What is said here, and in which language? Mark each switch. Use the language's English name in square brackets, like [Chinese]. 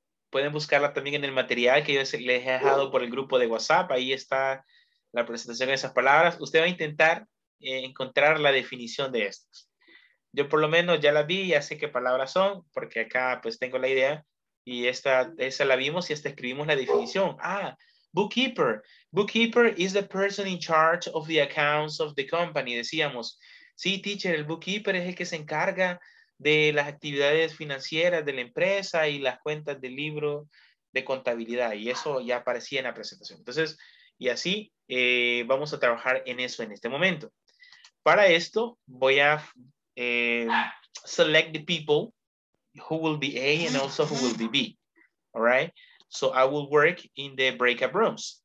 [Spanish] Pueden buscarla también en el material que yo les he dejado por el grupo de WhatsApp. Ahí está la presentación de esas palabras. Usted va a intentar encontrar la definición de estas. Yo por lo menos ya la vi, ya sé qué palabras son, porque acá pues tengo la idea. Y esa la vimos y hasta escribimos la definición. [English] Ah, bookkeeper. Bookkeeper is the person in charge of the accounts of the company, [Spanish] decíamos. Sí, teacher, el bookkeeper es el que se encarga de las actividades financieras de la empresa y las cuentas del libro de contabilidad. Y eso ya aparecía en la presentación. Entonces, y así vamos a trabajar en eso en este momento. Para esto, voy a [English] select the people who will be A and also who will be B. All right? So I will work in the breakout rooms.